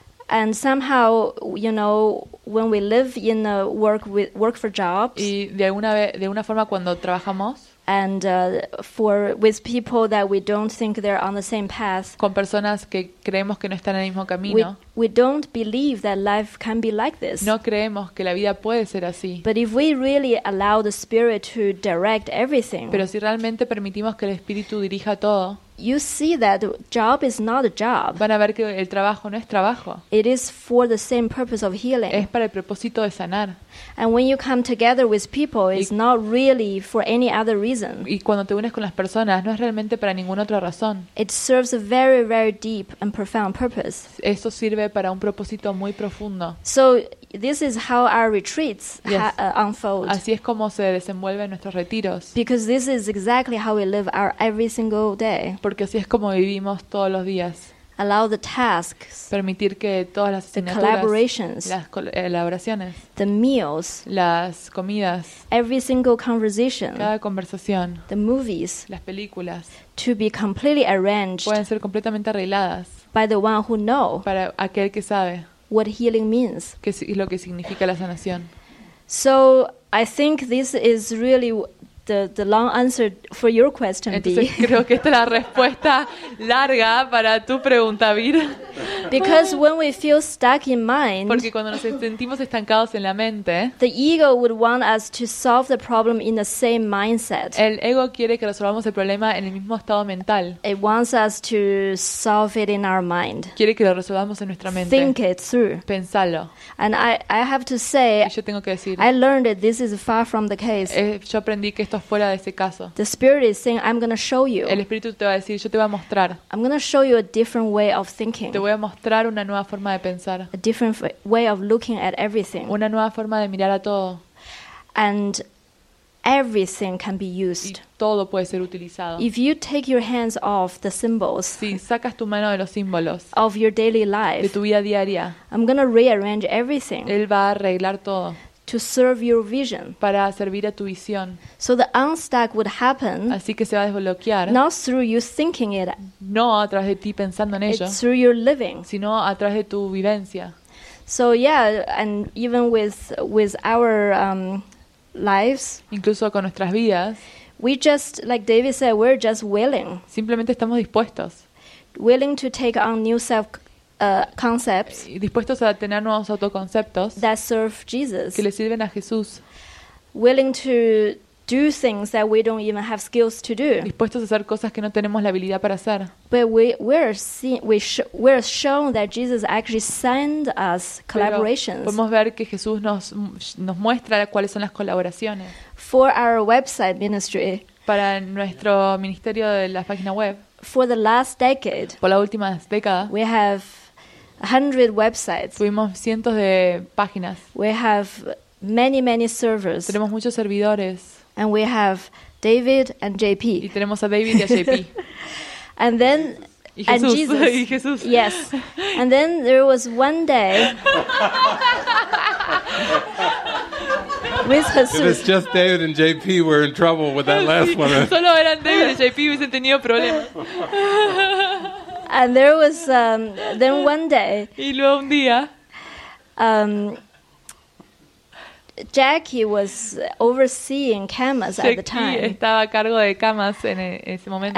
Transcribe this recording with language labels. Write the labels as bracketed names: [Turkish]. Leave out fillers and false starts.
[English] And somehow, you know, when we live in a work for jobs, [Spanish] y de una forma cuando trabajamos, [English] and for with people that we don't think they're on the same path. [Spanish] Con personas que creemos que no están en el mismo camino. [English] We don't believe that life can be like this. [Spanish] No creemos que la vida puede ser así. [English] But if we really allow the spirit to direct everything. [Spanish] Pero si realmente permitimos que el espíritu dirija todo. [English] You see that job is not a job. [Spanish] Van a ver que el trabajo no es trabajo. [English] It is for the same purpose of healing. [Spanish] Es para el propósito de sanar. [English] And when you come together with people, it's not really for any other reason. [Spanish] Y cuando te unes con las personas, no es realmente para ninguna otra razón. [English] It serves a very, very deep and profound purpose. [Spanish] Eso sirve para un propósito muy profundo. [English] So this is how our retreats unfold. [Spanish] Así es como se desenvuelven nuestros retiros. [English] Because this is exactly how we live our every single day. [Spanish] Porque así es como vivimos todos los días. [English] Allow the tasks, [Spanish] permitir que todas las [English] the collaborations, [Spanish] las colaboraciones, [English] the meals, [Spanish] las comidas, [English] every single conversation, [Spanish] cada conversación, [English] the movies, [Spanish] las películas, [English] to be completely arranged, [Spanish] pueden ser completamente arregladas, [English] by the one who know, [Spanish] para aquel que sabe, [English] what healing means, [Spanish] qué es lo que significa la sanación. [English] So I think this is really the long answer for your question, B. [Spanish] Entonces, creo que esta es la respuesta larga para tu pregunta, Vir. [English] Because when we feel stuck in mind, [Spanish] porque cuando nos sentimos estancados en la mente, [English] the ego would want us to solve the problem in the same mindset. [Spanish] El ego quiere que resolvamos el problema en el mismo estado mental. [English] It wants us to solve it in our mind. [Spanish] Quiere que lo resolvamos en nuestra mente. [English] Think it through. [Spanish] Pensarlo. [English] And I have to say, [Spanish] y yo tengo que decir, [English] I learned that this is far from the case. [Spanish] Yo aprendí que esto fuera de ese caso. [English] The spirit is saying, I'm gonna show you. [Spanish] El espíritu te va a decir, yo te voy a mostrar. [English] I'm gonna show you a different way of thinking. [Spanish] Te voy a mostrar una nueva forma de pensar. [English] A different way of looking at everything. [Spanish] Una nueva forma de mirar a todo. [English] And everything can be used. [Spanish] Y todo puede ser utilizado. [English] If you take your hands off the symbols, [Spanish] si sacas tu mano de los símbolos, [English] of your daily life, [Spanish] de tu vida diaria, [English] I'm gonna rearrange everything. [Spanish] Él va a arreglar todo. [English] To serve your vision. [Spanish] Para servir a tu visión. [English] So the unstuck would happen. [Spanish] Así que se va a desbloquear. [English] Not through you thinking it. [Spanish] No a través de ti pensando en ello. [English] It's through your living. [Spanish] Sino a través de tu vivencia. [English] So yeah, and even with our lives. [Spanish] Incluso con nuestras vidas. [English] We just, like David said, we're just willing. [Spanish] Simplemente estamos dispuestos. [English] Willing to take on new self. Concepts [Spanish] dispuestos a tener nuevos autoconceptos [English] that serve Jesus, [Spanish] que le sirven a Jesús, [English] willing to do things that we don't even have skills to do, [Spanish] dispuestos a hacer cosas que no tenemos la habilidad para hacer, [English] but we're shown that Jesus actually sent us collaborations. [Spanish] Pero podemos ver que Jesús nos muestra cuáles son las colaboraciones [English] for our website ministry, [Spanish] para nuestro ministerio de la página web. [English] For the last decade, [Spanish] por la última década, [English] we have 100 websites. [Spanish] Tuvimos cientos de páginas. [English] We have many, many servers. [Spanish] Tenemos muchos servidores. [English] And we have David and JP. [Spanish] Y tenemos a David y a JP. [English] And then [Spanish] Jesús. [English] And Jesus. [Spanish] Y Jesús. [English] Yes. And then there was one day with Jesus. If it's just David and JP, we're in trouble with that last one. [Spanish] Solo eran David y JP, hubiesen tenido problemas. [English] And there was then one day. [Spanish] Y luego un día. [English] Jackie was overseeing camas Jackie at the time. [Spanish] Jackie estaba a cargo de camas en ese momento.